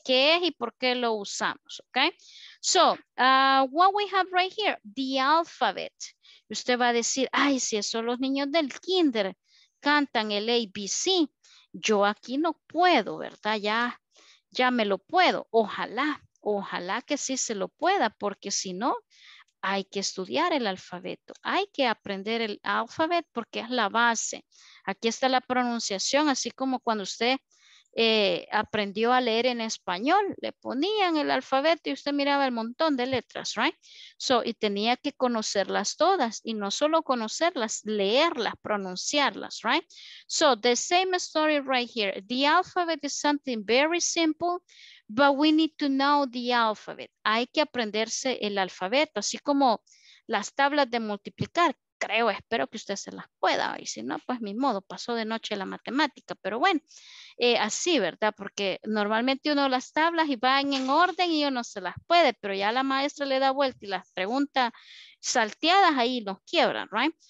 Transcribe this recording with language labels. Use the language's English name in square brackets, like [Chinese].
[Spanish] ¿Qué es y por qué lo usamos, okay? [English] So, what we have right here, the alphabet. [Spanish] Usted va a decir, ay, si eso los niños del kinder cantan el ABC, yo aquí no puedo, ¿verdad? Ya me lo puedo, ojalá. Ojalá que sí se lo pueda, porque si no, hay que estudiar el alfabeto. Hay que aprender el alfabeto porque es la base. Aquí está la pronunciación, así como cuando usted aprendió a leer en español, le ponían el alfabeto y usted miraba el montón de letras, right? So, y tenía que conocerlas todas, y no solo conocerlas, leerlas, pronunciarlas, right? [English] So, the same story right here. The alphabet is something very simple, but we need to know the alphabet. [Spanish] Hay que aprenderse el alfabeto, así como las tablas de multiplicar. Creo, espero que usted se las pueda, y si no, pues mi modo, pasó de noche la matemática, pero bueno, así, ¿verdad? Porque normalmente uno las tablas y van en orden y uno se las puede, pero ya la maestra le da vuelta y las pregunta salteadas, ahí nos quiebran, ¿right?